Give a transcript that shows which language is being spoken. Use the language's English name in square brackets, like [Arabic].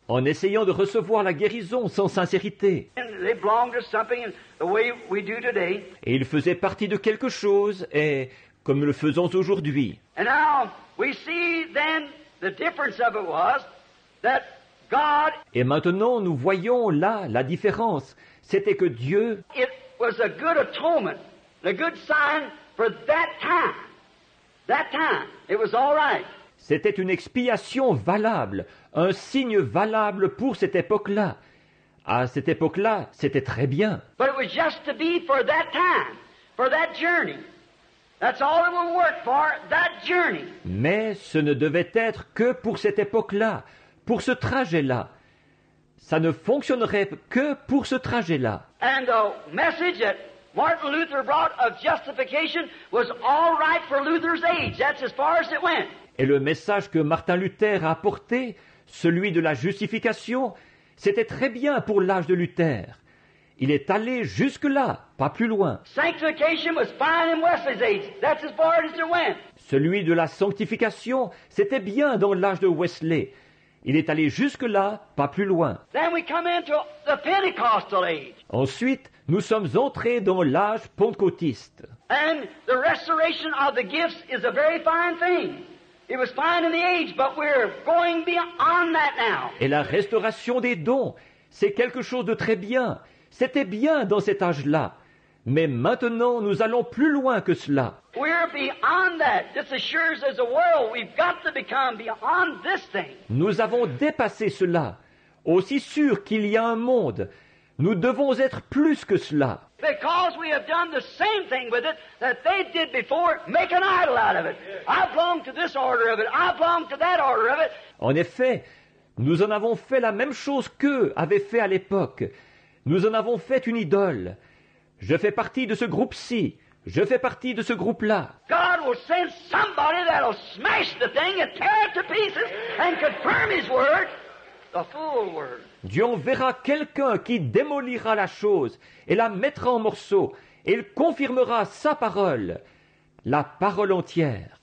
[French] En essayant de recevoir la guérison sans sincérité. [English] And they belong to something the way we do today. [French] Et ils faisaient partie de quelque chose, et comme le faisons aujourd'hui. [English] And now we see then the difference of it was that God. [French] Et maintenant nous voyons là la différence. C'était que Dieu. [English] It was a good atonement, a good sign for that time. That time, it was all right. [French] C'était une expiation valable, un signe valable pour cette époque-là. À cette époque-là, c'était très bien. [English] But it was just to be for that time, for that journey. That's all it would work for, that journey. [French] Mais ce ne devait être que pour cette époque-là, pour ce trajet-là. Ça ne fonctionnerait que pour ce trajet-là. [English] And the message that Martin Luther brought of justification was all right for Luther's age. That's as far as it went. [French] Et le message que Martin Luther a apporté, celui de la justification, c'était très bien pour l'âge de Luther. Il est allé jusque-là, pas plus loin. [English] Sanctification was fine in Wesley's age. That's as far as it went. [French] Celui de la sanctification, c'était bien dans l'âge de Wesley. Il est allé jusque-là, pas plus loin. [English] Then we come into the Pentecostal age. [French] Ensuite, nous sommes entrés dans l'âge pentecôtiste. [English] And the restoration of the gifts is a very fine thing. It was fine in the age, but we're going beyond that now. [French] Et la restauration des dons, c'est quelque chose de très bien. C'était bien dans cet âge-là. Mais maintenant, nous allons plus loin que cela. [English] We're beyond that. This assures as a world, we've got to become beyond this thing. [French] Nous avons dépassé cela. Aussi sûr qu'il y a un monde, nous devons être plus que cela. [English] Because we have done the same thing with it that they did before, make an idol out of it. I belong to this order of it. I belong to that order of it. [French] En effet, nous en avons fait la même chose qu'eux avaient fait à l'époque. Nous en avons fait une idole. Je fais partie de ce groupe-ci. Je fais partie de ce groupe-là. [English] God will send somebody that'll smash the thing and tear it to pieces and confirm His word. The fool word. [French] Dieu enverra quelqu'un qui démolira la chose et la mettra en morceaux et il confirmera sa parole, la parole entière.